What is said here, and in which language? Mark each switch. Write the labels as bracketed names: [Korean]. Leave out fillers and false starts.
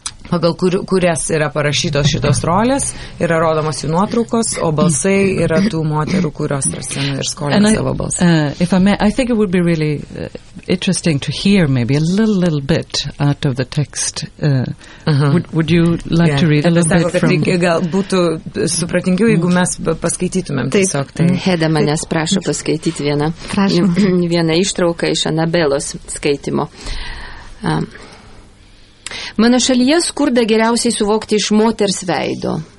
[Lithuanian] pagal kurias yra parašytos šitos rolės, yra rodomas jų nuotraukos, o balsai yra tų moterų, kurios rasina ir skolina savo balsą. [English] If I may, I think it would be really interesting to hear maybe a little bit out of the text. Would you like to read a little bit from... [Lithuanian] Reikia, gal būtų supratingiau, jeigu mes paskaitytumėm tiesiog. Taip, Heda manęs prašo paskaityti vieną ištrauką iš Anabelos skaitimo. Mano šalyje skurda geriausiai suvokti iš moters veido.